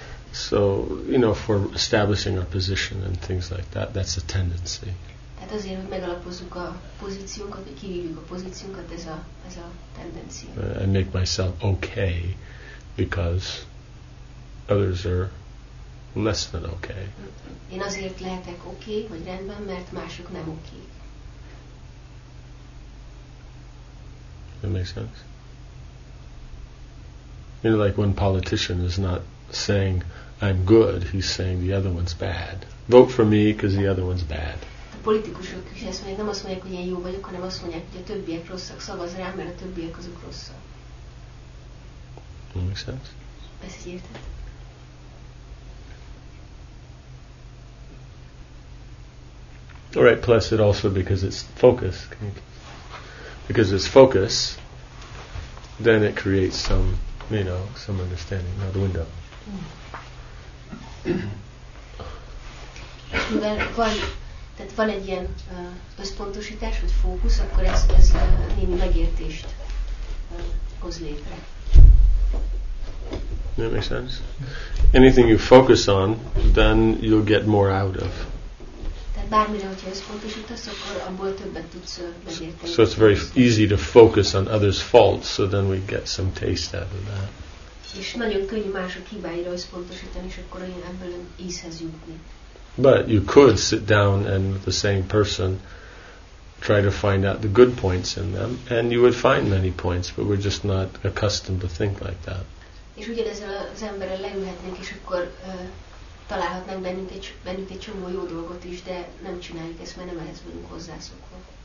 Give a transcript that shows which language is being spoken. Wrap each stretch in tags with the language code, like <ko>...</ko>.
<en>So, you know, for establishing our position and things like that, that's a tendency.</en> <hu>Tehát azért, hogy megalapozzuk a pozíciónkat, hogy kivívjuk a pozíciónkat, ez a tendencia.</hu> <en>I make myself okay because others are less than okay.</en> <hu>Én azért lehetek okay, vagy rendben, mert mások nem okay.</hu> <en>That makes sense? You know, like one politician is not saying, I'm good, he's saying the other one's bad. Vote for me, because the other one's bad.</en> <hu>A politikusok is ezt mondják, nem azt mondják, hogy én jó vagyok, hanem azt mondják, hogy a többiek rosszak, szavaz rám, mert a többiek azok rosszak.</hu> <en>Make sense?</en> <hu>Ez így érted?</hu> <en>All right, plus it also because it's focus. Because it's focus, then it creates some, you know, some understanding. Now the window.</en> <hu>Mivel van, tehát van egy ilyen összpontosítás, vagy fókusz, akkor ez némi megértést hoz létre.</hu> <en>That makes sense. Anything you focus on, then you'll get more out of.</en> <hu>Tehát bármire, hogyha összpontosítasz, akkor abból többet tudsz megérteni.</hu> <en>So it's very easy to focus on others' faults, so then we get some taste out of that.</en> <hu>És nagyon könnyű mások hibáira összpontosítani, és akkor én ebből észhez jutni.</hu> <en>But you could sit down and with the same person try to find out the good points in them, and you would find many points, but we're just not accustomed to think like that.</en> <hu>És ugyanezzel az emberrel leülhetnék, és akkor találhatnánk bennünk egy csomó jó dolgot is, de nem csináljuk ezt, mert nem ehhez vagyunk hozzászokva.</hu>